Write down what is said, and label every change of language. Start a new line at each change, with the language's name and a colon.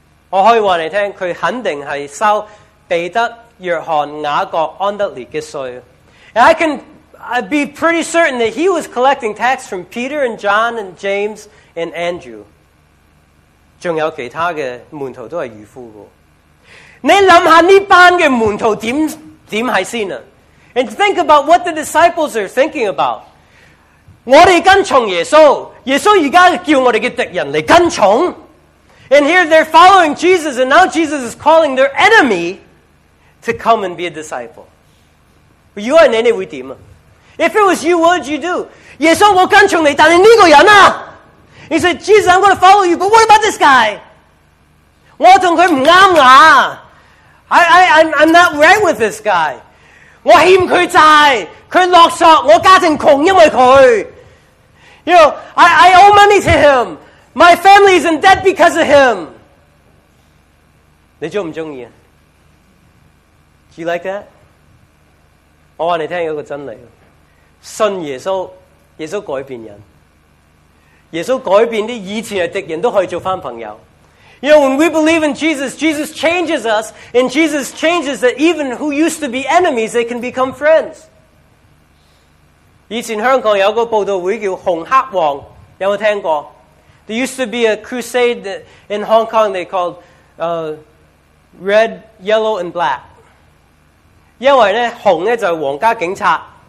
Chinese: 我可以告诉你，他肯定是收彼得、约翰、雅各、安德烈的税。
English: And I can be pretty certain that he was collecting tax from Peter and John and James and Andrew.
Chinese: 还有其他的门徒都是渔夫的。你想想这班的门徒怎么是先？
English: And think about what the disciples are thinking about.
Chinese: 我们跟从耶稣，耶稣现在叫我们的敌人来跟从。
English: And here they're following Jesus, and now Jesus is calling their enemy to come and be a disciple. You are an enemy. If it was you, what would you do?
Chinese: 耶稣，我跟从你，但是这个人啊，
English: He said, Jesus, I'm going to follow you, but what about this guy?
Chinese: 我跟他不对啊。
English: I'm not right with this guy.
Chinese: 我欠佢债，佢落索，我家庭穷，因为佢。
English: You know, I owe money to him. My family is in debt because of him.
Chinese: 你中唔中意啊
English: ？Do you like that?
Chinese: 我话你听一个真理，信耶稣，耶稣改变人，耶稣改变啲以前系敌人都可以做翻朋友。
English: You know, when we believe in Jesus, Jesus changes us, and Jesus changes that even who used to be enemies, they can become friends.
Chinese: 以前香港有个报道会叫红黑王，有没有听过？
English: There used to be a crusade in Hong Kong they called Red, Yellow, and Black.
Chinese: 因为呢，红呢就是皇家警察。